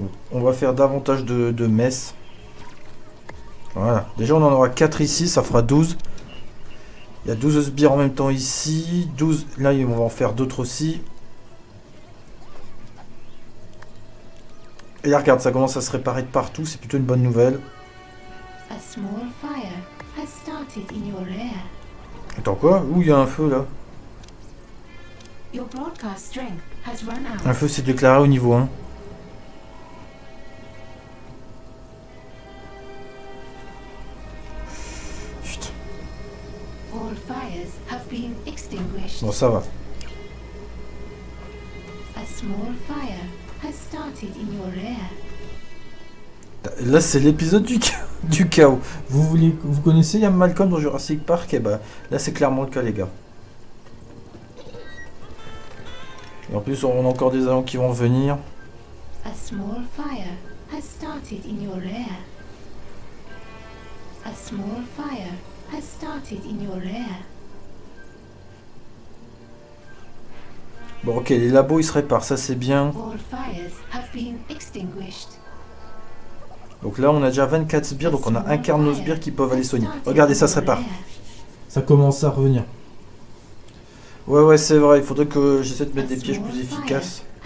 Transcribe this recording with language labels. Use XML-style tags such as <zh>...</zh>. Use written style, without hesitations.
<fr>On va faire davantage de messes. Voilà. Déjà, on en aura 4 ici. Ça fera 12. Il y a 12 sbires en même temps ici. 12. Là, on va en faire d'autres aussi. Et là, regarde, ça commence à se réparer de partout, c'est plutôt une bonne nouvelle.</fr> <en>A small fire has started in your lair.</en> <fr>Attends, quoi? Où il y a un feu, là?</fr> <en>Your broadcast strength has run out.</en> <fr>Un feu s'est déclaré au niveau 1. Chut.</fr> <en>All fires have been extinguished.</en> <fr>Bon, ça va.</fr> <en>A small fire has started in your lair.</en> <fr>Là, c'est l'épisode du chaos. Vous connaissez Ian Malcolm dans Jurassic Park? Et ben, là, c'est clairement le cas, les gars. Et en plus, on a encore des agents qui vont venir.</fr> <en>A small fire has started in your lair. A small fire has started in your lair.</en> <fr>Bon, ok, les labos, ils se réparent, ça, c'est bien.</fr> <en>All fires have been extinguished.</en> <fr>Donc là, on a déjà 24 sbires, donc on a un quart de nos sbires qui peuvent aller soigner. Regardez, ça se répare. Ça commence à revenir. Ouais, ouais, c'est vrai. Il faudrait que j'essaie de mettre des pièges plus efficaces.</fr>